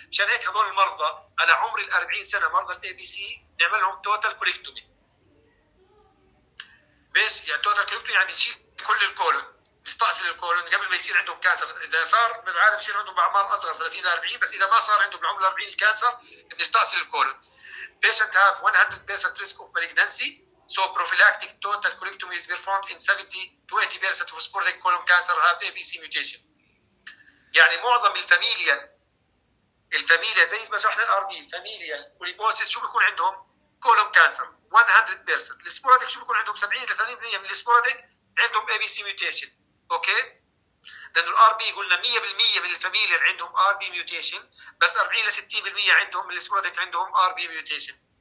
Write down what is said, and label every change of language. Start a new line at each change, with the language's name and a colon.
Arabic: عشان هيك هذول المرضى على عمر ال 40 سنة مرضى الاي بي سي نعمل لهم توتال كوليكتومي. بس يعني توتال كوليكتومي يعني بيشيل كل الكولون، بيستأصل الكولون قبل ما يصير عندهم كانسر. إذا صار بالعادة بيصير عندهم بعمر أصغر 30-40، بس إذا ما صار عندهم بعمر 40 الكانسر بنستأصل الكولون.
English: patient have 100% risk of malignancy so prophylactic total colectomy is performed in 70-80% of sporadic colon cancer have ABC mutation.
Arabic: يعني معظم الفاميليا زي ما شرحنا الأربي الفاميليا البوليبوسيس شو بيكون عندهم؟
English: colon cancer 100%.
Arabic: السبوراديك شو بيكون عندهم؟ 70-80% من السبوراديك عندهم ABC mutation. اوكي، لأن الار بي قلنا 100% من الفاميليا اللي عندهم ار بي ميوتيشن، بس 40-60% عندهم من السبوراديك عندهم ار بي ميوتيشن.